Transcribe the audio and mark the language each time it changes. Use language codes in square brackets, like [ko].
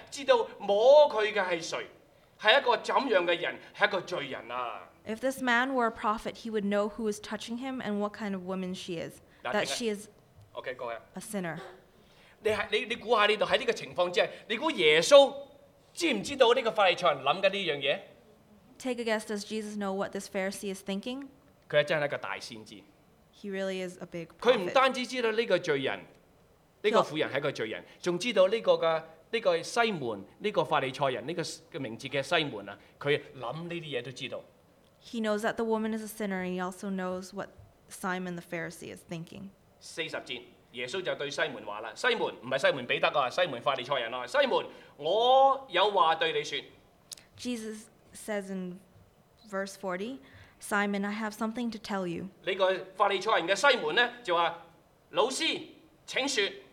[yue] 知道摸佢嘅系谁，系一个怎样嘅人，系一个罪人啊 [en] ！If this man were a prophet, he would know who is touching him and what kind of woman she is. That she is okay, go ahead. A sinner. [yue] 你估下呢度喺呢个情况之下，你估耶稣知唔知道呢个法利赛人谂紧呢样嘢 [en] ？Take a guess. Does Jesus know what this Pharisee is thinking? [yue] 佢真系一个大先知。 [en] He really is a big prophet. [yue] 佢唔单止知道呢个罪人，呢个妇人系一个罪人，仲知道呢个嘅呢个西门呢个法利赛人呢个嘅名字嘅西门啊，佢谂呢啲嘢都知道。 [en] He knows that the woman is a sinner, and he also knows what Simon the Pharisee is thinking. [yue] 40节，耶稣就对西门话啦：西门，唔系西门彼得啊，西门法利赛人啊，西门，我有话对你说。 [en] Jesus says in verse 40. Simon, I have something to tell you. [yue] 呢个法利赛人嘅西门咧就话：老师，请说。